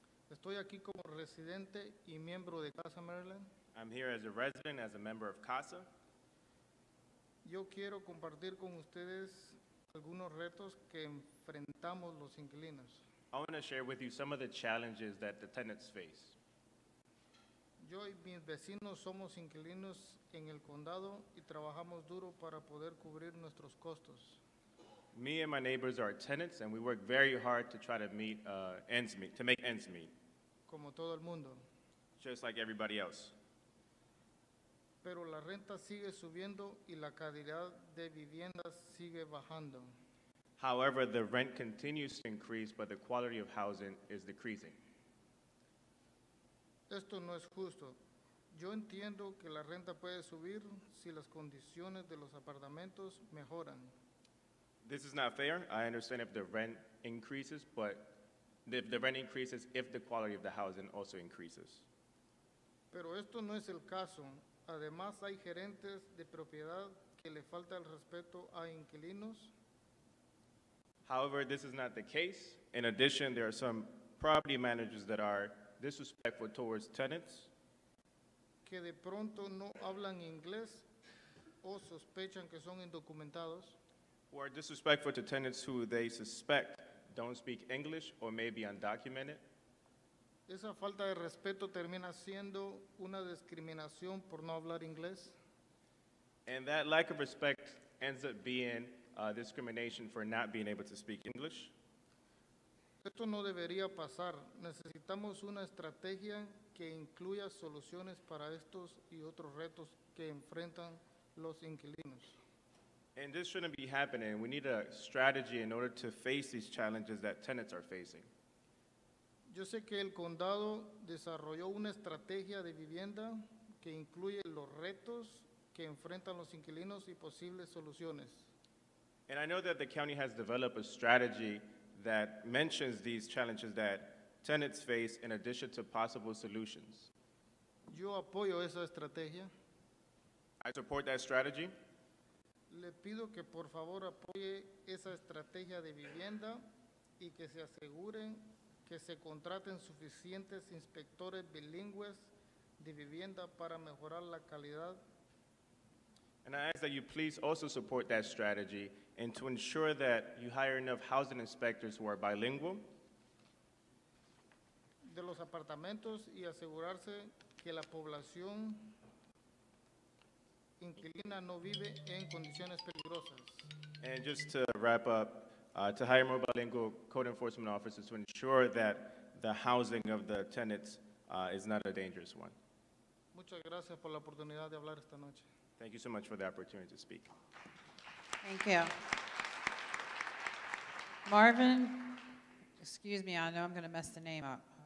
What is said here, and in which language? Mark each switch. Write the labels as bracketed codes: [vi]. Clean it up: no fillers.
[es] Estoy aquí como residente y miembro de Casa Maryland. [en] I'm here as a resident, as a member of Casa. [es] Yo quiero compartir con ustedes algunos retos que enfrentamos los inquilinos. [en] I want to share with you some of the challenges that the tenants face. [es] Yo y mis vecinos somos inquilinos en el condado y trabajamos duro para poder cubrir nuestros costos. [en] Me and my neighbors are tenants, and we work very hard to try to meet to make ends meet. [es] Como todo el mundo. [en] Just like everybody else. [es] Pero la renta sigue subiendo y la calidad de viviendas sigue bajando. [en] However, the rent continues to increase, but the quality of housing is decreasing. [es] Esto no es justo. Yo entiendo que la renta puede subir si las condiciones de los apartamentos mejoran. [en] This is not fair. I understand if the rent increases, but if the rent increases, if the quality of the housing also increases. [es] Pero esto no es el caso. Además, hay gerentes de propiedad que le falta el respeto a inquilinos. [en] However, this is not the case. In addition, there are some property managers that are disrespectful towards tenants. [es] Que de pronto no hablan inglés o sospechan que son indocumentados. [en] Who are disrespectful to tenants who they suspect don't speak English or may be undocumented. [es] Esa falta de respeto termina siendo una discriminación por no hablar inglés. [en] And that lack of respect ends up being discrimination for not being able to speak English. [es] Esto no debería pasar. Necesitamos una estrategia que incluya soluciones para estos y otros retos que enfrentan los inquilinos. [en] And this shouldn't be happening. We need a strategy in order to face these challenges that tenants are facing. [es] Yo sé que el condado desarrolló una estrategia de vivienda que incluye los retos que enfrentan los inquilinos y posibles soluciones. [en] And I know that the county has developed a strategy that mentions these challenges that tenants face in addition to possible solutions. [es] Yo apoyo esa estrategia. [en] I support that strategy. [es] Le pido que por favor apoye esa estrategia de vivienda y que se aseguren que se contraten suficientes inspectores bilingües de vivienda para mejorar la calidad. [en] And I ask that you please also support that strategy and to ensure that you hire enough housing inspectors who are bilingual. [es] De los apartamentos y asegurarse que la población inquilina no vive en condiciones peligrosas. [en] And just to wrap up, to hire more bilingual code enforcement officers to ensure that the housing of the tenants is not a dangerous one. [es] Muchas gracias por la oportunidad de hablar esta noche. [en] Thank you so much for the opportunity to speak. Thank you. Marvin, excuse me, I know I'm going to mess the name up.